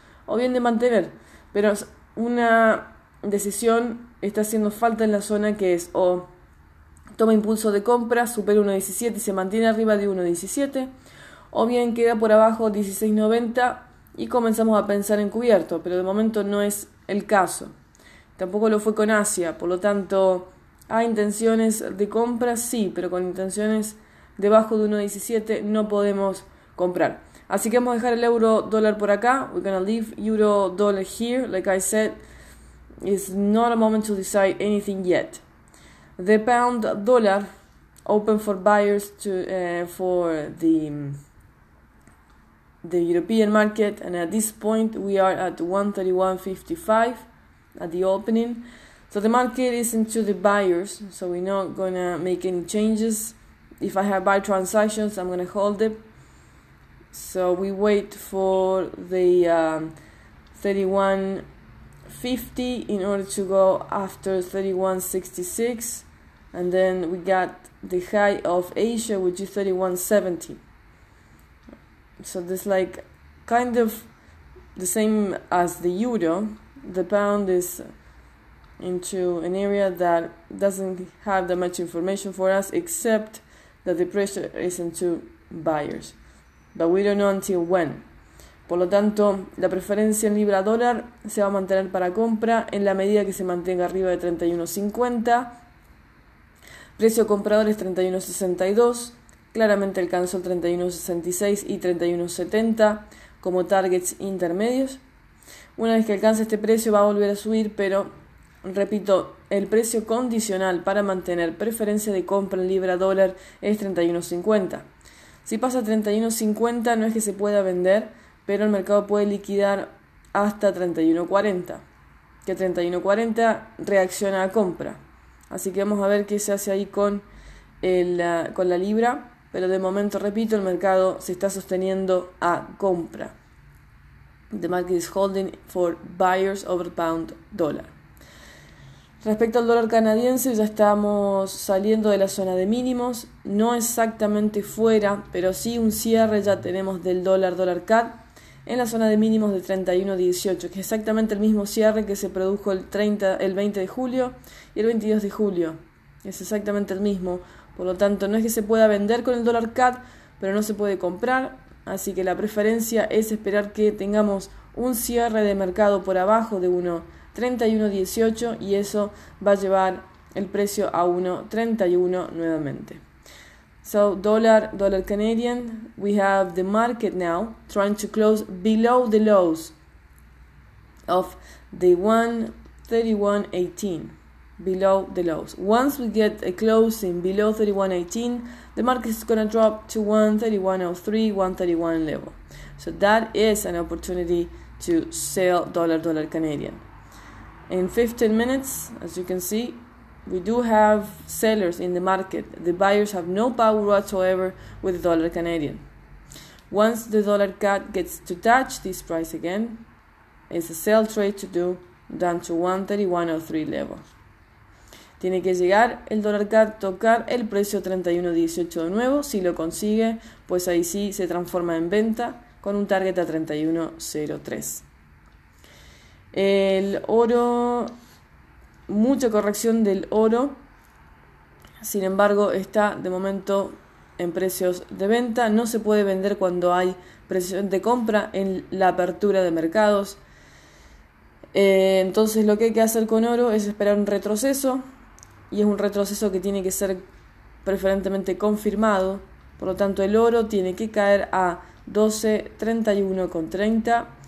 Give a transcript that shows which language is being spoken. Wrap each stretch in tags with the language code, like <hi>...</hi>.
<es>O bien de mantener, pero una decisión está haciendo falta en la zona, que es o toma impulso de compra, supera 1.17 y se mantiene arriba de 1.17, o bien queda por abajo 16.90 y comenzamos a pensar en cubierto, pero de momento no es el caso. Tampoco lo fue con Asia, por lo tanto, ¿hay intenciones de compra? Sí, pero con intenciones debajo de 1.17 no podemos comprar. Así que vamos a dejar el euro dólar por acá.</es> <en>We're gonna leave euro dollar here. Like I said, it's not a moment to decide anything yet. The pound dollar open for buyers to for the European market. And at this point, we are at 131.55 at the opening. So the market is into the buyers. So we're not gonna make any changes. If I have buy transactions, I'm gonna hold it. So we wait for the 31.50 in order to go after 31.66, and then we got the high of Asia, which is 31.70. So this like kind of the same as the euro. The pound is into an area that doesn't have that much information for us, except that the pressure is into buyers. But we don't know until when.</en> <es>Por lo tanto, la preferencia en libra dólar se va a mantener para compra en la medida que se mantenga arriba de 31.50. Precio comprador es 31.62. Claramente alcanzó 31.66 y 31.70 como targets intermedios. Una vez que alcance este precio va a volver a subir, pero repito, el precio condicional para mantener preferencia de compra en libra dólar es 31.50. Si pasa 31.50, no es que se pueda vender, pero el mercado puede liquidar hasta 31.40. Que 31.40 reacciona a compra. Así que vamos a ver qué se hace ahí con la libra. Pero de momento, repito, el mercado se está sosteniendo a compra.</es> <en>The market is holding for buyers over pound dollar.</en> <es>Respecto al dólar canadiense, ya estamos saliendo de la zona de mínimos, no exactamente fuera, pero sí un cierre ya tenemos del dólar CAD en la zona de mínimos de 31.18, que es exactamente el mismo cierre que se produjo el 20 de julio y el 22 de julio. Es exactamente el mismo, por lo tanto no es que se pueda vender con el dólar CAD, pero no se puede comprar, así que la preferencia es esperar que tengamos un cierre de mercado por abajo de 1.31.18 y eso va a llevar el precio a 1.31 nuevamente.</es> <en>So dólar Canadian, we have the market now trying to close below the lows of the 1.31.18, below the lows. Once we get a closing below 31.18, the market is going to drop to 1.31.03, 1.31 level. So that is an opportunity to sell dólar Canadian. In 15 minutes, as you can see, we do have sellers in the market. The buyers have no power whatsoever with the dollar Canadian. Once the dollar CAD gets to touch this price again, it's a sell trade to do down to 1.31.03 level.</en> <es>Tiene que llegar el dólar CAD, tocar el precio 31.18 de nuevo. Si lo consigue, pues ahí sí se transforma en venta con un target a 31.03. El oro, mucha corrección del oro, sin embargo está de momento en precios de venta, no se puede vender cuando hay presión de compra en la apertura de mercados, entonces lo que hay que hacer con oro es esperar un retroceso y es un retroceso que tiene que ser preferentemente confirmado, por lo tanto el oro tiene que caer a 12.31.30.</es>